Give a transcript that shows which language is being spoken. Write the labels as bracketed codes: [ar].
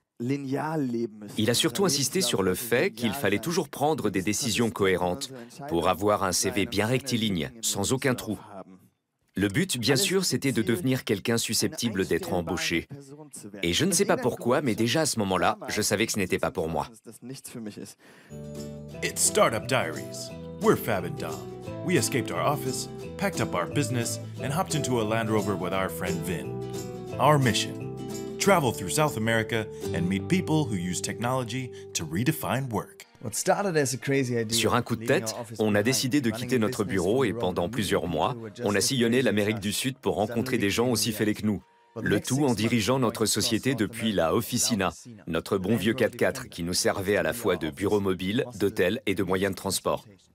[fr] Il a surtout insisté sur le fait qu'il fallait toujours prendre des décisions cohérentes pour avoir un CV bien rectiligne, sans aucun trou. Le but, bien sûr, c'était de devenir quelqu'un susceptible d'être embauché. Et je ne sais pas pourquoi, mais déjà à ce moment-là, je savais que ce n'était pas pour moi. [en] It's Startup Diaries. We're Fab and Dom. We escaped our office, packed up our business, and hopped into a Land Rover with our friend Vin. Our mission: travel through South America and meet people who use technology to redefine work. [fr] Sur un coup de tête, on a décidé de quitter notre bureau et pendant plusieurs mois, on a sillonné l'Amérique du Sud pour rencontrer des gens aussi fêlés que nous. Le tout en dirigeant notre société depuis la Officina, notre bon vieux 4x4 qui nous servait à la fois de bureau mobile, d'hôtel et de moyen de transport.